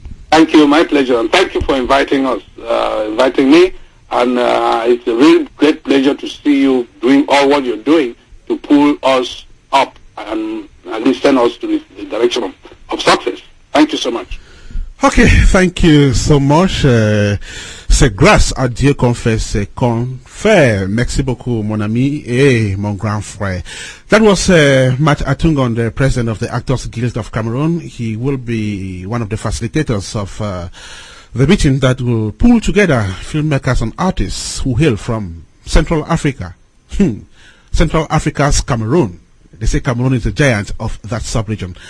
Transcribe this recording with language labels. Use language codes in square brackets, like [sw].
[en] Thank you, my pleasure, and thank you for inviting us, inviting me. And it's a really great pleasure to see you doing all what you're doing to pull us up and at least send us to the direction of success. Thank you so much. Okay, thank you so much. [fr] C'est grâce à Dieu qu'on fait ce qu'on fait. Merci beaucoup, mon ami et mon grand frère. [en] That was Matt Atungon, the president of the Actors Guild of Cameroon. He will be one of the facilitators of the meeting that will pull together filmmakers and artists who hail from Central Africa. Central Africa's Cameroon. They say Cameroon is a giant of that sub-region.